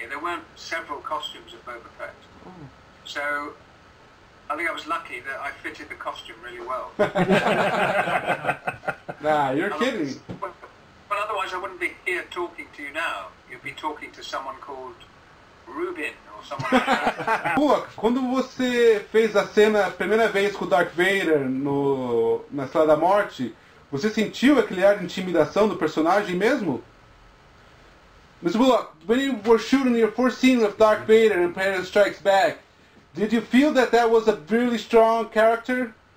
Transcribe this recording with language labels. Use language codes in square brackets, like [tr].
[en] There weren't several costumes of Boba Fett. Oh. So I think I was lucky that I fitted the costume really well. Nah, you're kidding. But otherwise I wouldn't be here talking to you now. You'd be talking to someone called Rubin or someone like that. [pt] Pô, quando você fez a cena a primeira vez com o Darth Vader na Sala da Morte, você sentiu aquele ar de intimidação do personagem mesmo? [en] Mr. Bullock, when you were shooting your first scene with Darth Vader in Empire Strikes Back, did you feel that that was a really strong character?